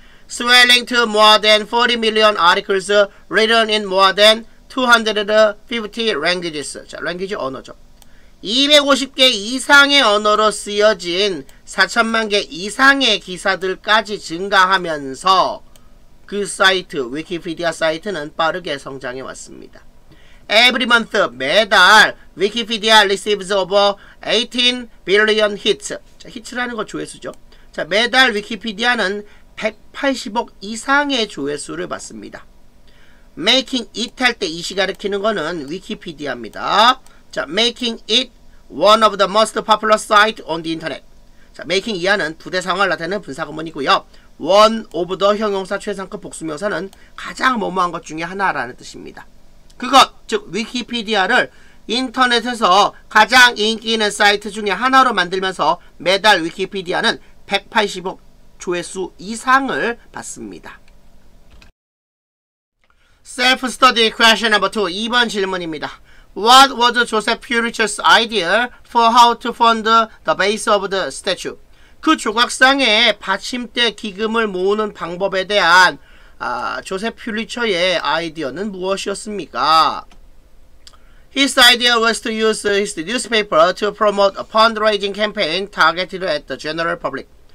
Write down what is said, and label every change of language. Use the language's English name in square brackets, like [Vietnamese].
[English] swelling to more than 40 million articles written in more than 250 languages. [Korean] 자, language 언어죠. 250개 이상의 언어로 쓰여진 4천만 개 이상의 기사들까지 증가하면서 그 사이트, 위키피디아 사이트는 빠르게 성장해 왔습니다. [English] Every month, [Korean] 매달 위키피디아 [English] receives over 18 billion hits. [Korean] 자, hits라는 거 조회수죠. 자, 매달 위키피디아는 180억 이상의 조회수를 받습니다. [English] Making it [Korean] 할 때 이시 가리키는 거는 위키피디아입니다. [English] 자, making it one of the most popular sites on the internet. [Korean] 자, making 이하는 부대상을 나타내는 분사구문이고요. [English] one of the [Korean] 형용사 최상급 복수명사는 가장 뭐뭐한 것 중에 하나라는 뜻입니다. 그것, 즉 위키피디아를 인터넷에서 가장 인기 있는 사이트 중에 하나로 만들면서 매달 위키피디아는 180억 조회수 이상을 받습니다. [English] Self-study question number 2, [Korean] 2번 질문입니다. [English] What was Joseph Pulitzer's idea for how to fund the base of the statue? [Korean] 그 조각상의 받침대 기금을 모으는 방법에 대한 조셉 퓰리처의 아이디어는 무엇이었습니까? [English] His idea was to use his newspaper to promote a fundraising campaign targeted at the general public.